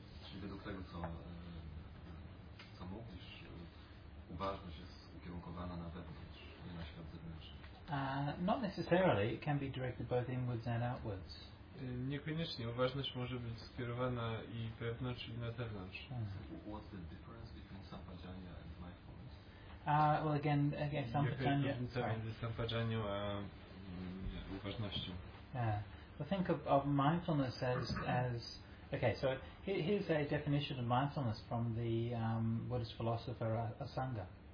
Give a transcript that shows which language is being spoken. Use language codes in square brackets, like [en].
[pl] Czy według tego, co mówisz, uważność jest ukierunkowana na wewnątrz, nie na świat zewnętrzny? [en] Not necessarily. It can be directed both inwards and outwards. [pl] Niekoniecznie. Uważność może być skierowana i wewnątrz, i na zewnątrz. [en] So what's the difference between sampajanya and mindfulness? Again, sampajanya. [pl] Jaka jest różnica między sampajanią a uważnością? [en] Yeah. Well, think of mindfulness as okay. So here's a definition of mindfulness from the Buddhist philosopher Asanga.